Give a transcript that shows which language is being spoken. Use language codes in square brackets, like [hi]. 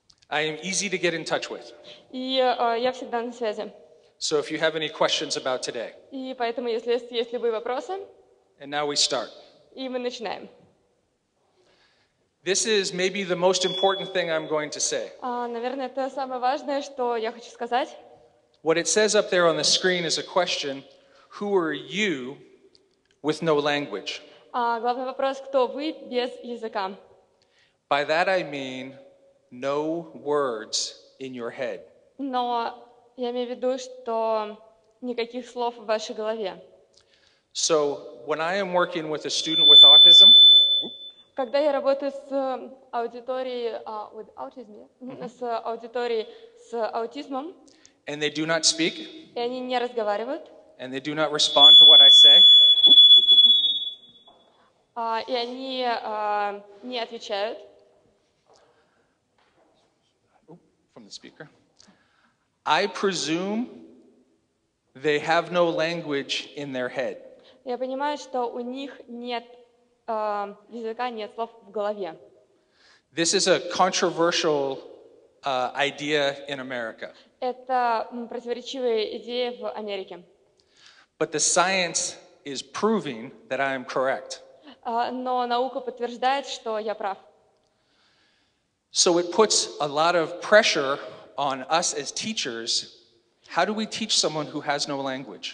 [en] I am easy to get in touch with. [ru] Я всегда на связи. [en] So if you have any questions about today. [ru] И поэтому, если есть любые вопросы. [en] And now we start. [ru] И мы начинаем. [en] This is maybe the most important thing I'm going to say. [ru] Наверное, это самое важное, что я хочу сказать. [en] What it says up there on the screen is a question: Who are you with no language? [ru] Главный вопрос: кто вы без языка? [en] By that I mean. No words in your head. [ru] Но я имею в виду, что никаких слов в вашей голове. [en] So when I am working with a student with autism. [ru] Когда я работаю с аудиторией [en] with autism, [ru] mm-hmm. с аудиторией с аутизмом. [en] And they do not speak. [ru] И они не разговаривают. [en] And they do not respond to what I say. [ru] И они не отвечают. [en] From the speaker. I presume they have no language in their head. [ru] Я понимаю, что у них нет языка, нет слов в голове. [en] This is a controversial idea in America. [ru] Это противоречивая идея в Америке. [en] But the science is proving that I am correct. [ru] Но наука подтверждает, что я прав. [en] So it puts a lot of pressure on us as teachers. How do we teach someone who has no language?